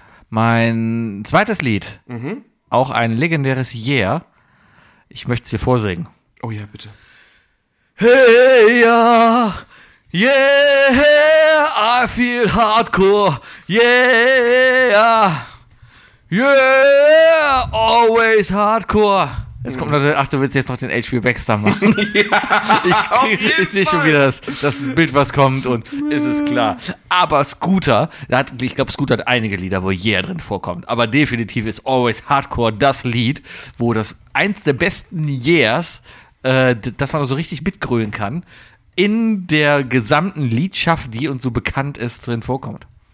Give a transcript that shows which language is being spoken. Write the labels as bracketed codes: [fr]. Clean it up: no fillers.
[de] Mein zweites Lied, auch ein legendäres Yeah. Ich möchte es dir vorsingen. Oh ja, bitte. [en] Hey, yeah, yeah, I feel hardcore, yeah, yeah, always hardcore. [de] Jetzt kommt noch, ach, du willst jetzt noch den H.P. Baxter machen. Ich sehe schon wieder das Bild, was kommt und ist es klar. Aber Scooter, ich glaube, Scooter hat einige Lieder, wo Yeah drin vorkommt. Aber definitiv ist Always Hardcore das Lied, wo das eins der besten Yeahs, dass man so richtig mitgrölen kann, in der gesamten Liedschaft, die uns so bekannt ist, drin vorkommt.